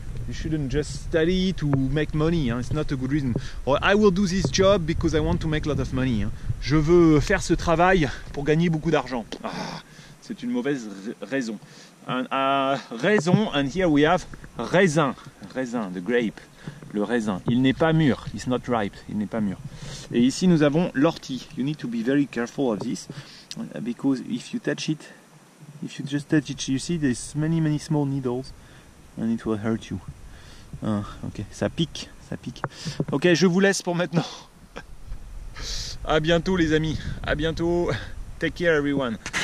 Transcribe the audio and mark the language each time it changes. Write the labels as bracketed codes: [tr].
[en] You shouldn't just study to make money, hein? It's not a good reason. Or, I will do this job because I want to make a lot of money, hein? [fr] Je veux faire ce travail pour gagner beaucoup d'argent. Ah, c'est une mauvaise raison. [en] And, raison, and here we have raisin. [fr] Raisin, [en] the grape. [fr] Le raisin. Il n'est pas mûr. [en] It's not ripe. [fr] Il n'est pas mûr. Et ici, nous avons l'ortie. [en] You need to be very careful of this because if you touch it, If you just touch it, you see there's many, many small needles and it will hurt you. [fr] Ok, ça pique, ça pique. Ok, je vous laisse pour maintenant. À bientôt les amis, à bientôt. [en] Take care everyone.